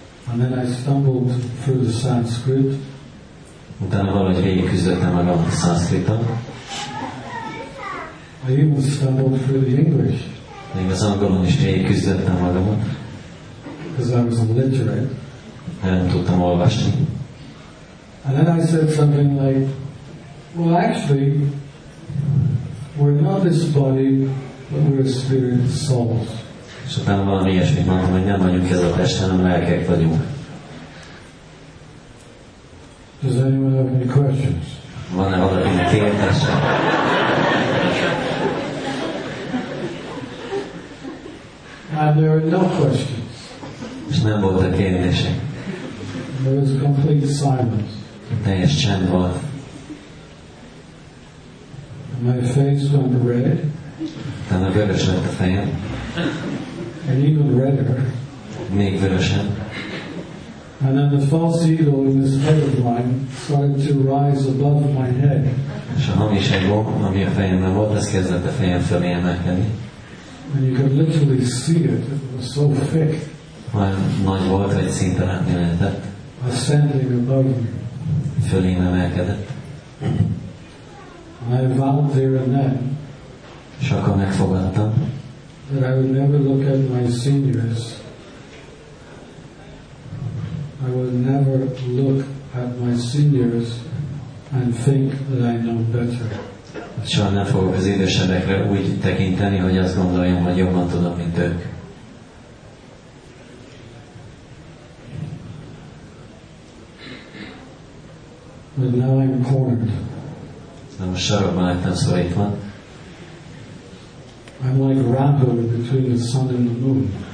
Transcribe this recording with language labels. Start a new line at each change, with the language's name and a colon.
English: And then I stumbled through the Sanskrit.
Hungarian: Utána valahogy végig küzdöttem magam a Sanskriton.
English: I even stumbled through the English.
Hungarian: Még az angolon is végig küzdöttem magamat.
English: Because I was illiterate.
Hungarian: Nem tudtam olvasni.
English: And then I said something like, well, actually, we're not this body, but we're spirit souls.
Hungarian: És utána valami ilyesmit mondtam, hogy nem vagyunk ez a test, hanem lelkek vagyunk.
English: Does anyone have any questions?
Hungarian: Van-e valakinek kérdése?
English: And there are no questions.
Hungarian: És nem volt a kérdése.
English: There was complete silence.
Hungarian: Teljes csend volt.
English: And my face went red.
Hungarian: Tehát a vörös lett a fejem.
English: And even redder.
Hungarian: Még vörösebb.
English: And then the false ego in this head of mine started to rise above my head.
Hungarian: És a hamis ego, ami a fejemben volt, ez kezdett a fejem fölé emelkedni.
English: And you could literally see it. It was so thick.
Hungarian: Olyan nagy volt, hogy szinte látni lehetett.
English: Ascending above me.
Hungarian: Fölé emelkedett.
English: And I vowed there and then.
Hungarian: És akkor megfogadtam.
English: That I would never look at my seniors. I will never look at my seniors and think that I know better.
Hungarian: Soha nem fogok az idősebbekre úgy tekinteni, hogy azt gondoljam, hogy jobban tudom, mint ők.
English: But now I'm cornered.
Hungarian: De most sarokban lettem szorítva.
English: I'm like Rambo between the sun and the moon.